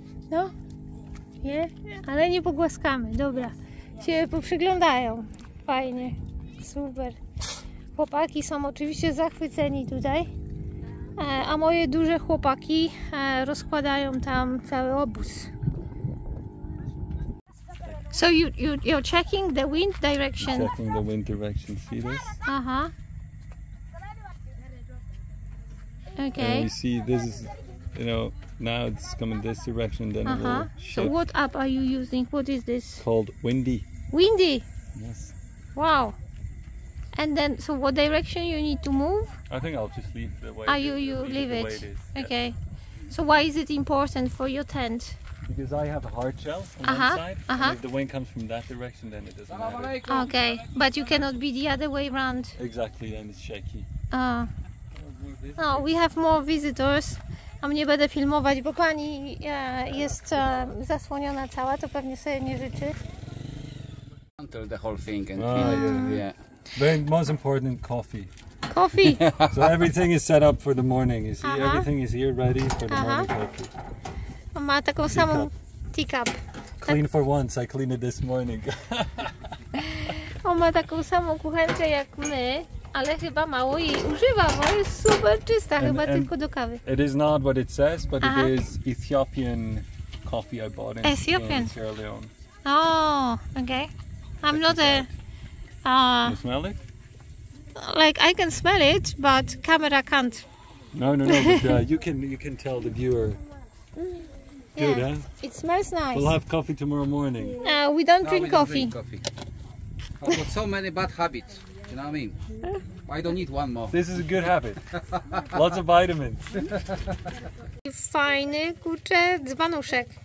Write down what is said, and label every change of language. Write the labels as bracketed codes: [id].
[pl] No? Nie? Ale nie pogłaskamy. Dobra. Się poprzyglądają. Fajnie. Super. Chłopaki są oczywiście zachwyceni tutaj. A moje duże chłopaki rozkładają tam cały obóz. [en] So you're checking the wind direction. Checking the wind direction. See this? Uh-huh. Okay. And you see this is, you know, now it's coming this direction, then it will shift. So what app are you using? What is this? Called Windy. Windy. Yes. Wow. And then, so what direction you need to move? I think I'll just leave the way. Are you leave it? Okay. So why is it important for your tent? Because I have a hard shell on one side, and if the wind comes from that direction, then it doesn't matter. Okay, but you cannot be the other way around. Exactly, then it's shaky. Oh, we have more visitors. [pl] A mnie będę filmować, bo pani jest zasłoniona cała, to pewnie sobie nie życzy. [en] Until the whole thing and clean it, yeah. But most important, coffee. coffee. So everything is set up for the morning, you see? Uh-huh. Everything is here ready for the uh-huh. morning coffee. [pl] On ma taką samą teacup. [en] Clean for once, I cleaned it this morning. [pl] On ma taką samą kuchenkę jak my, ale chyba mało jej używa, bo jest super czysta, chyba tylko do kawy. [en] It is not what it says, but uh-huh. it is Ethiopian coffee I bought in, Ethiopian. In Sierra Leone. Oh, okay. I'm not a... Can you smell it? Like, I can smell it, but camera can't. No, you can tell the viewer. Good, yeah, huh? It smells nice. We'll have coffee tomorrow morning. No, we don't drink coffee. I've got so many bad habits, you know what I mean? I don't need one more. This is a good habit. Lots of vitamins. [pl] Fajny, kurczę, dzbanuszek.